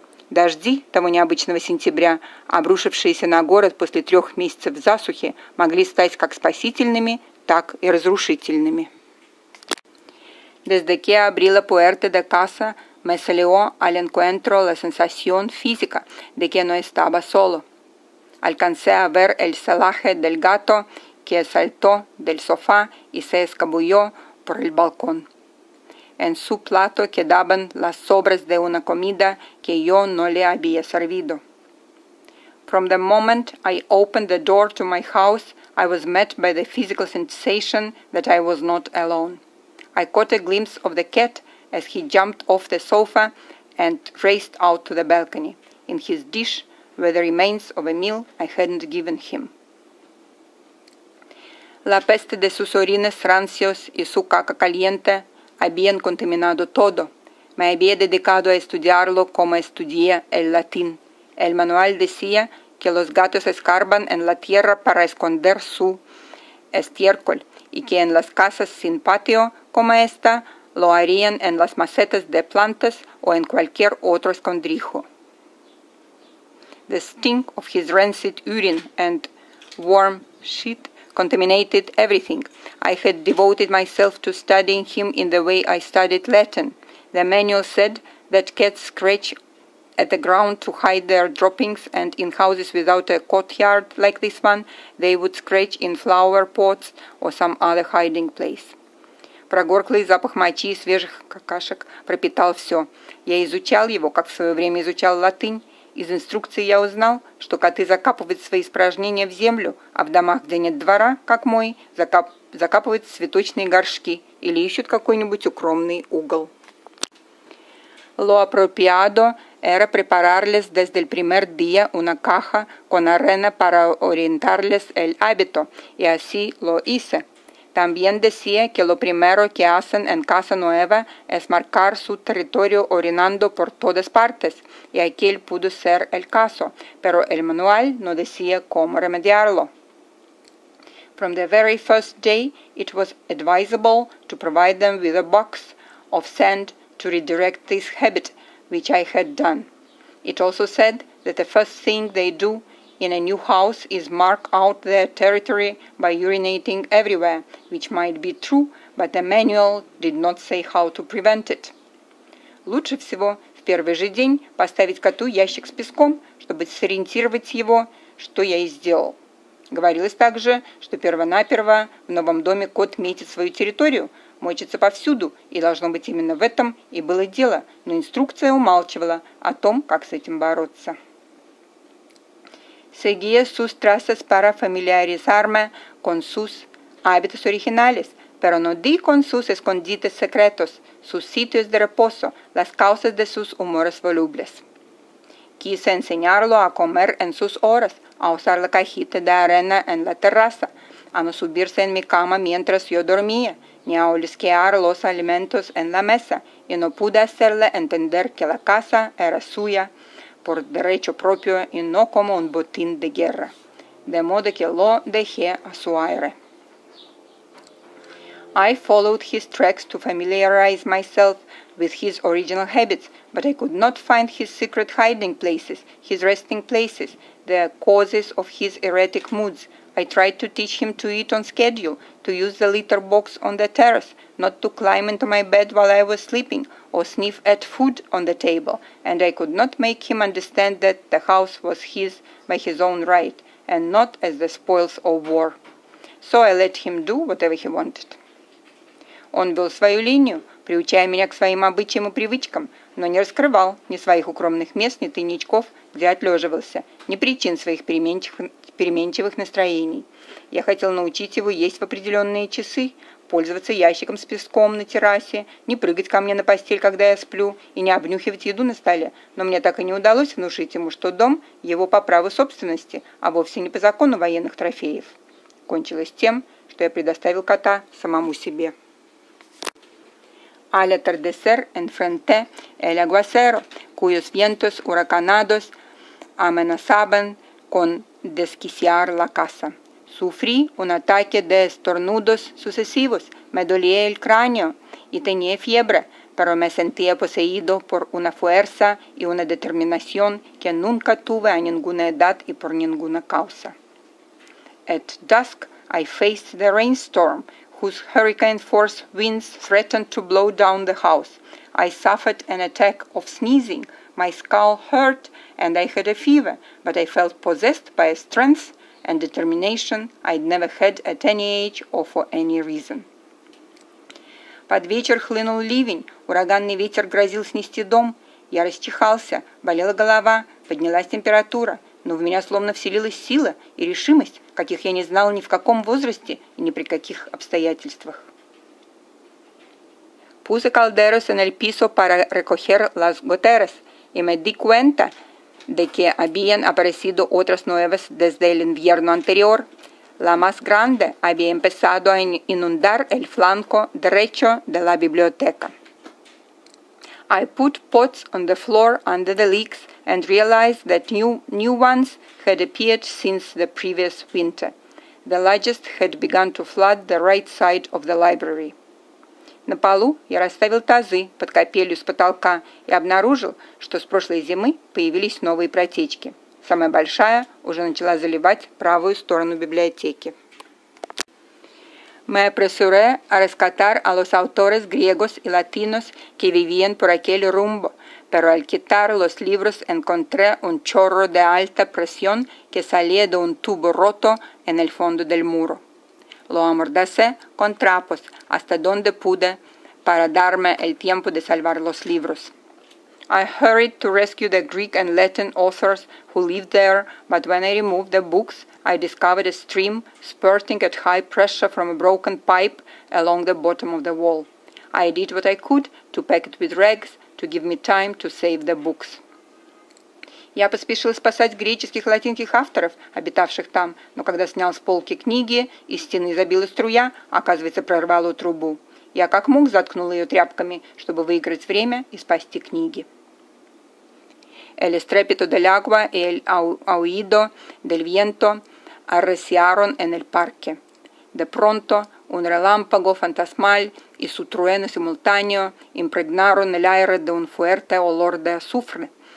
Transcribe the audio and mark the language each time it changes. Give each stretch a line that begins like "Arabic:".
Russian: Дожди того необычного сентября, обрушившиеся на город после 3 месяцев засухи, могли стать как спасительными, так и разрушительными.
Spanish: Desde que abrí la puerta de casa, me salió al encuentro la sensación física de que no estaba solo. Alcancé a ver el celaje del gato que saltó del sofá y se escabulló por el balcón. En su plato quedaban las sobras de una comida que yo no le había servido.
English: From the moment I opened the door to my house, I was met by the physical sensation that I was not alone. I caught a glimpse of the cat as he jumped off the sofa and raced out to the balcony. In his dish were the remains of a meal I hadn't given him.
Spanish: La peste de sus orines rancios y su caca caliente habían contaminado todo. Me había dedicado a estudiarlo como estudié el latín. El manual decía que los gatos escarban en la tierra para esconder su estiércol y que en las casas sin patio como esta lo harían en las macetas de plantas o en cualquier otro escondrijo.
English: The stink of his rancid urine and worm shit contaminated everything. I had devoted myself to studying him in the way I studied Latin. The manual said that cats scratch at the ground to hide their droppings, and in houses without a courtyard like this one, they would scratch in flower pots or some other hiding place.
Russian: Прогорклый запах мочи и свежих какашек пропитал все. Я изучал его, как в свое время изучал латынь. Из инструкции я узнал, что коты закапывают свои испражнения в землю, а в домах, где нет двора, как мой, закапывают цветочные горшки или ищут какой-нибудь укромный угол.
Spanish: Lo apropiado era prepararles desde el primer día una caja con arena para orientarles el hábito, y así lo hice. También decía que lo primero que hacen en casa nueva es marcar su territorio orinando por todas partes, y aquel pudo ser el caso, pero el manual no decía cómo remediarlo.
English: From the very first day, it was advisable to provide them with a box of sand to redirect this habit, which I had done. It also said that the first thing they do in a new house is mark out their territory by urinating everywhere, which might be true, but the manual did not say how to prevent it.
Russian: Лучше всего в первый же день поставить коту ящик с песком, чтобы сориентировать его, что я и сделал. Говорилось также, что первонаперво в новом доме кот метит свою территорию, мочится повсюду, и должно быть именно в этом и было дело, но инструкция умалчивала о том, как с этим бороться.
Spanish: Seguía sus trazas para familiarizarme con sus hábitos originales, pero no di con sus escondites secretos, sus sitios de reposo, las causas de sus humores volubles. Quise enseñarlo a comer en sus horas, a usar la cajita de arena en la terraza, a no subirse en mi cama mientras yo dormía, ni a olisquear los alimentos en la mesa, y no pude hacerle entender que la casa era suya, por derecho propio y no como un botín de guerra, de modo que lo dejé a su aire.
English: I followed his tracks to familiarize myself with his original habits, but I could not find his secret hiding places, his resting places, the causes of his erratic moods. I tried to teach him to eat on schedule, to use the litter box on the terrace, not to climb into my bed while I was sleeping, or sniff at food on the table, and I could not make him understand that the house was his by his own right, and not as the spoils of war. So I let him do whatever he wanted.
Russian: Он вел свою линию, приучая меня к своим обычаям и привычкам, но не раскрывал ни своих укромных мест, ни тайничков, где отлеживался, ни причин своих переменчивых настроений. Я хотел научить его есть в определенные часы, пользоваться ящиком с песком на террасе, не прыгать ко мне на постель, когда я сплю, и не обнюхивать еду на столе, но мне так и не удалось внушить ему, что дом – его по праву собственности, а вовсе не по закону военных трофеев. Кончилось тем, что я предоставил кота самому себе.
Spanish: Al atardecer enfrenté el aguacero, cuyos vientos huracanados amenazaban con desquiciar la casa. Sufrí un ataque de estornudos sucesivos, me dolía el cráneo y tenía fiebre, pero me sentía poseído por una fuerza y una determinación que nunca tuve a ninguna edad y por ninguna causa.
English: At dusk, I faced the rainstorm, whose hurricane force winds threatened to blow down the house. I suffered an attack of sneezing, My skull hurt and I had a fever, but I felt possessed by a strength and determination I'd never had at any age or for any reason.
Russian: Под вечер хлынул ливень, ураганный ветер грозил снести дом. Я расчихался, болела голова, поднялась температура, но в меня словно вселилась сила и решимость, каких я не знал ни в каком возрасте и ни при каких обстоятельствах.
Spanish: Puse calderos en el piso para recoger las goteras y me di cuenta de que habían aparecido otras nuevas desde el invierno anterior. La más grande había empezado a inundar el flanco derecho de la biblioteca.
English: I put pots on the floor under the leaks and realized that new ones had appeared since the previous winter. The largest had begun to flood the right side of the library.
Russian: На полу я расставил тазы под капелью с потолка и обнаружил, что с прошлой зимы появились новые протечки. Самая большая уже начала заливать правую сторону библиотеки.
Spanish: Me apresuré a rescatar a los autores griegos y latinos que vivían por aquel rumbo, pero al quitar los libros encontré un chorro de alta presión que salía de un tubo roto en el fondo del muro. Lo amordacé con trapos hasta donde pude para darme el tiempo de salvar los libros.
English: I hurried to rescue the Greek and Latin authors who lived there, but when I removed the books, I discovered a stream spurting at high pressure from a broken pipe along the bottom of the wall. I did what I could to pack it with rags to give me time to save the books.
Russian: Я поспешил спасать греческих и латинских авторов, обитавших там, но когда снял с полки книги, из стены забила струя, оказывается, прорвало трубу. Я как мог заткнул ее тряпками, чтобы выиграть время и спасти книги.
Spanish: El estrépito del agua y el aullido del viento arreciaron en el parque. De pronto, un relámpago fantasmal y su trueno simultáneo impregnaron el aire de un fuerte olor de azufre.